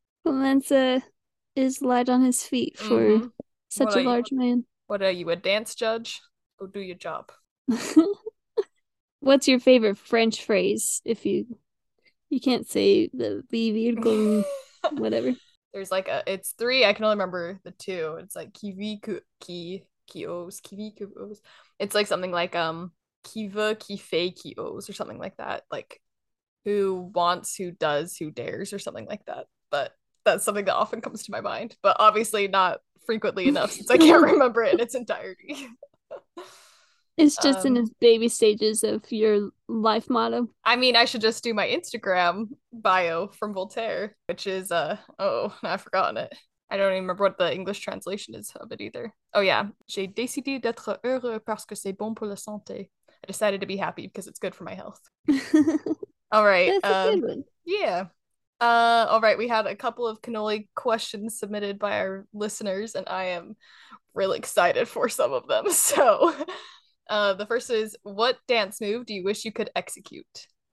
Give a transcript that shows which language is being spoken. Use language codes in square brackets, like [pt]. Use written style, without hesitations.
[en] Clemenza is light on his feet for such What are a you? large man. What are you, a dance judge? Go do your job. What's your favorite French phrase if you can't say the B virgule, whatever. There's like a, it's three. I can only remember the two. It's like [fr] qui veut qui ose, qui veut qui ose. [en] It's like something like [fr] qui veut qui fait qui ose [en] or something like that. Like who wants, who does, who dares or something like that. But that's something that often comes to my mind. But obviously not frequently enough since I can't remember it in its entirety. It's just in the baby stages of your life motto. I mean, I should just do my Instagram bio from Voltaire, which is oh, I've forgotten it. I don't even remember what the English translation is of it either. [fr] Oh yeah, j'ai décidé d'être heureux parce que c'est bon pour la santé. [en] I decided to be happy because it's good for my health. That's a All right, good one. all right. We had a couple of cannoli questions submitted by our listeners, and I am really excited for some of them. So. The first is, what dance move do you wish you could execute?